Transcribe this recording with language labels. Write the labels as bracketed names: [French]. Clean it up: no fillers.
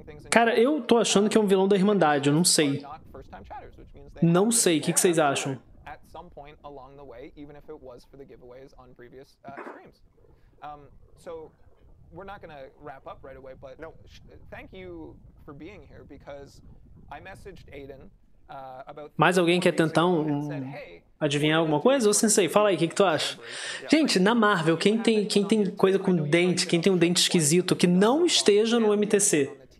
[Portuguese] Cara, eu tô achando que é um vilão da Irmandade, eu não sei. Não sei, o que vocês acham? [English] At some point along the way, even if it was for the giveaways on previous streams. So we're not going to wrap up right away, but thank you for being here because I messaged Aiden about. [Portuguese] Mais alguém quer tentar adivinhar alguma coisa? Ou sensei, fala aí, o que tu acha? Gente, na Marvel, quem tem coisa com dente, quem tem um dente esquisito, que não esteja no MTC.